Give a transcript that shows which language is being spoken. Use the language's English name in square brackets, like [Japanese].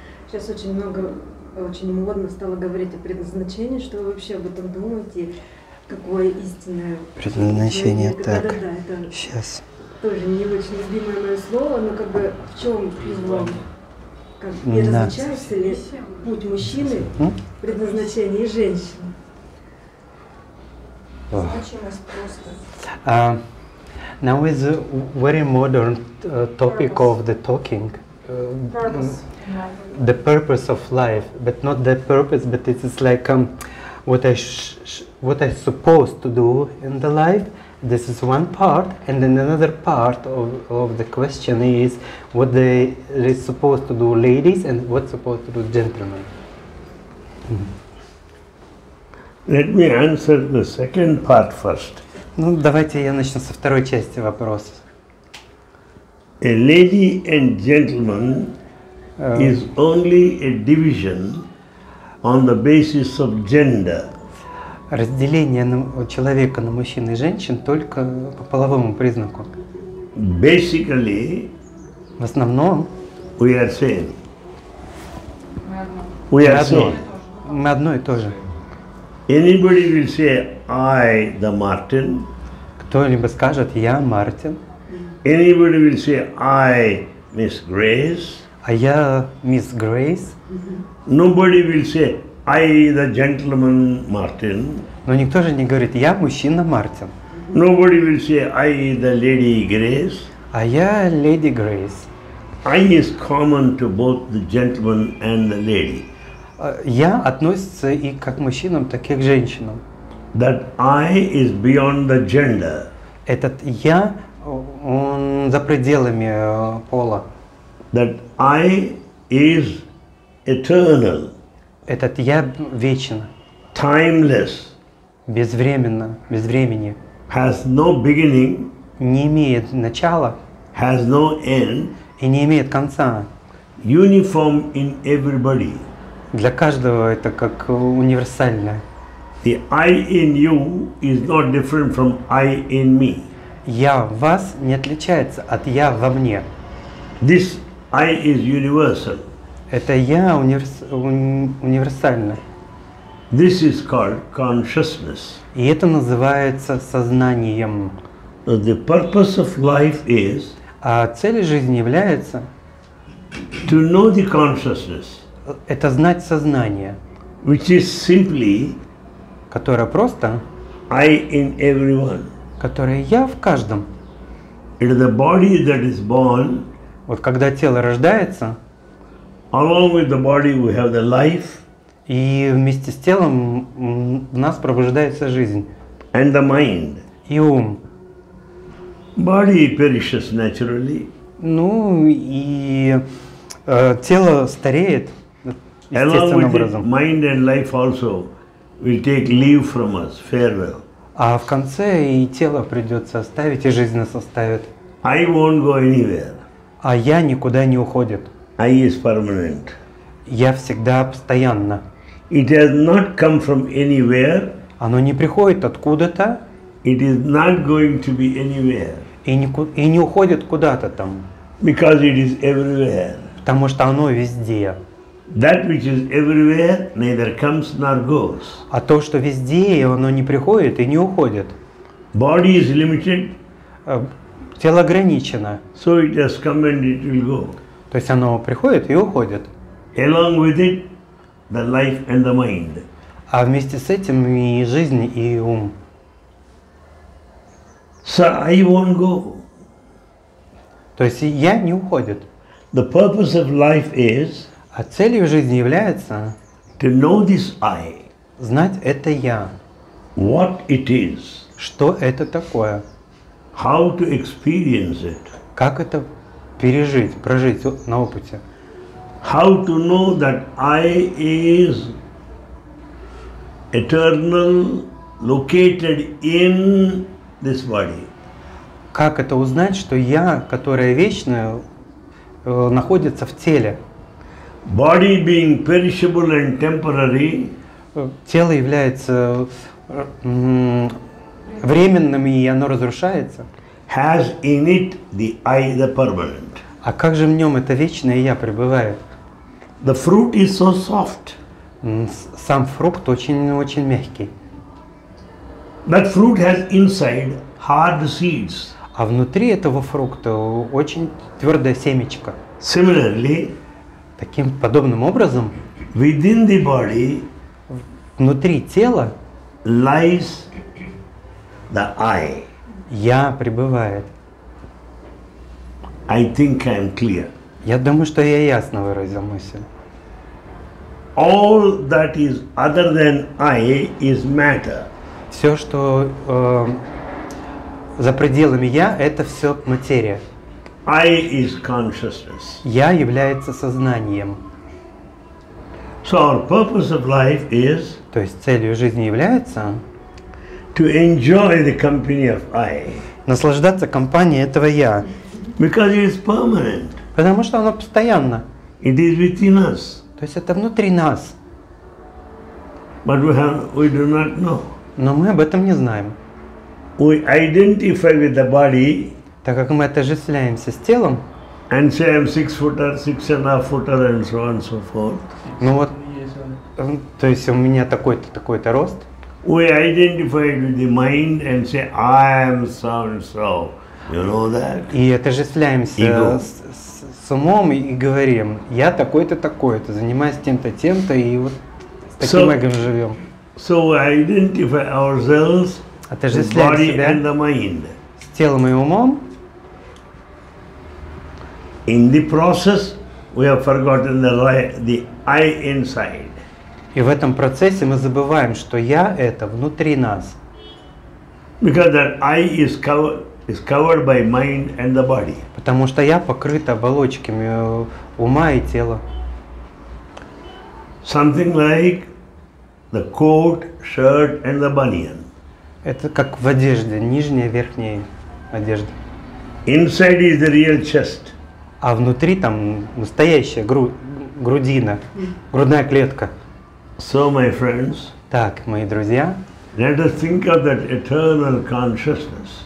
[Russian] Сейчас очень много, очень модно стало говорить о предназначении, что вы вообще об этом думаете, какое истинное предназначение. Так, да, это сейчас. Тоже не очень любимое мое слово, но как бы в чем призвание? Как, не различается ли путь мужчины, предназначение женщины? Значимость просто. [English] Now is a very modern topic of the talking. The purpose of life, but not the purpose, but it's like what I supposed to do in the life. This is one part, and then another part of the question is what they are supposed to do, ladies, and what supposed to do, gentlemen. Let me answer the second part first. [Russian] Ну давайте я начну со второй части вопроса. [English] A lady and gentleman. Is only a division on the basis of gender. [Russian] Разделение человека на мужчин и женщин только по половому признаку. [English] Basically, [Russian] в основном, [English] we are same. [Russian] Мы одно и то же. [English] Anybody will say, I the Martin. [Russian] Кто-либо скажет, я Мартин. [English] Anybody will say, I Miss Grace. [Russian] А я мисс Грейс. [English] Nobody will say, I the gentleman Martin. [Russian] Но никто же не говорит, я мужчина Мартин. [English] Nobody will say, I the lady Grace. [Russian] А я леди Грейс. [English] I is common to both the gentleman and the lady. [Russian] Я относится и как мужчинам, так и к женщинам. [English] That I is beyond the gender. [Russian] Этот я, он за пределами пола. [English] That I is eternal. [Russian] Этот я вечен. [English] Timeless. [Russian] Безвременно, без времени. [English] Has no beginning. [Russian] Не имеет начала. [English] Has no end. [Russian] И не имеет конца. [English] Uniform in everybody. [Russian] Для каждого это как универсальное. [English] The I in you is not different from I in me. [Russian] Я в вас не отличается от я во мне. [English] This I is universal. [Russian] Это я универсально. [English] This is called consciousness. [Russian] И это называется сознанием. [English] The purpose of life is. [Russian] А цель жизни является. [English] To know the consciousness. [Russian] Это знать сознание. [English] Which is simply. [Russian] Которое просто. [English] I in everyone. [Russian] Которое я в каждом. [English] It is the body that is born. [Russian] Вот когда тело рождается, [English] along with the body we have the life, [Russian] и вместе с телом в нас пробуждается жизнь, [English] and the mind, [Russian] и ум. [English] Body perishes naturally. [Russian] Ну и тело стареет естественным [English] along with [Russian] образом. [English] The mind and life also will take leave from us. Farewell. [Russian] А в конце и тело придется оставить, и жизнь нас оставит. [English] I won't go anywhere. [Russian] А я никуда не уходит. [English] I is permanent. [Russian] Я всегда постоянно. [English] It has not come from anywhere. [Russian] Оно не приходит откуда-то. [English] It is not going to be anywhere. [Russian] И не уходит куда-то там. [English] Because it is everywhere. [Russian] Потому что оно везде. [English] That which is everywhere neither comes nor goes. [Russian] А то, что везде, оно не приходит и не уходит. [English] Body is limited. [Russian] Тело ограничено. [English] So it has come and it will go. [Russian] То есть оно приходит и уходит. [English] Along with it, the life and the mind. [Russian] А вместе с этим и жизнь, и ум. [English] So I won't go. [Russian] То есть я не уходит. [English] The purpose of life is. [Russian] А целью жизни является. [English] To know this I. [Russian] Знать это я. [English] What it is. [Russian] Что это такое? [English] How to experience it. [Russian] Как это пережить, прожить на опыте? [English] How to know that I is eternal, located in this body. [Russian] Как это узнать, что я, которая вечная, находится в теле? [English] Body being perishable and temporary. [Russian] Тело является временным, и оно разрушается. [English] Has in it the I, the permanent. [Russian] А как же в нем это вечное я пребывает? [English] The fruit is so soft. [Russian] Сам фрукт очень-очень мягкий. [English] That fruit has inside hard seeds. [Russian] А внутри этого фрукта очень твердое семечко. [English] Similarly, [Russian] таким подобным образом, [English] within the body, [Russian] внутри тела, [English] lies the I. [Russian] Я пребывает. [English] I think I'm clear. [Russian] Я думаю, что я ясно выразил мысль. [English] All that is other than I is matter. [Russian] Все, что за пределами я, это все материя. [English] I is consciousness. [Russian] Я является сознанием. [English] So our purpose of life is. [Russian] То есть целью жизни является. [English] To enjoy the company of I. [Russian] Наслаждаться компанией этого я. [English] Because it is permanent. [Russian] Потому что оно постоянно. [English] It is within us. [Russian] То есть это внутри нас. [English] But we do not know. [Russian] Но мы об этом не знаем. [English] We identify with the body. [Russian] Так как мы отождествляемся с телом. [English] And say I'm 6 footer, 6.5 footer, and so on and so forth. [Russian] Ну вот, то есть у меня такой-то, такой-то рост. [English] We identify with the mind and say, I am so and so. You know that? [Russian] И отождествляемся с умом и говорим, я такой-то, такой-то, занимаюсь тем-то, тем-то, и вот таким эгом живем. [English] So we identify ourselves with body and the mind. [Russian] С телом и умом. [English] In the process, we have forgotten the I inside. [Russian] И в этом процессе мы забываем, что я – это внутри нас. [English] Because that I is covered by mind and the body. [Russian] Потому что я покрыт оболочками ума и тела. [English] Something like the coat, shirt and the banyan. [Russian] Это как в одежде, нижняя, верхняя одежда. [English] Inside is the real chest. [Russian] А внутри там настоящая грудина, грудная клетка. [English] So, my friends, [Russian] так, мои друзья, [English] let us think of that eternal consciousness.